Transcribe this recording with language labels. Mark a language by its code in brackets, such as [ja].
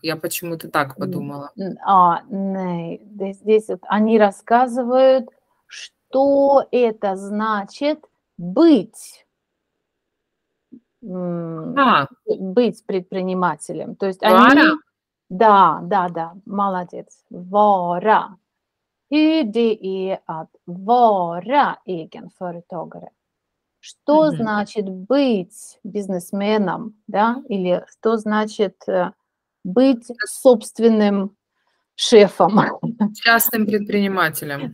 [ru] Я почему-то так подумала. А, нет, здесь вот они рассказывают, что это значит быть, А, быть предпринимателем. То есть [sv] Вара. [ru] они, да, молодец, вора. [sv] Hur det är att vara egen företagare. [ru] Что значит быть бизнесменом, да? Или что значит быть собственным шефом? Частным предпринимателем.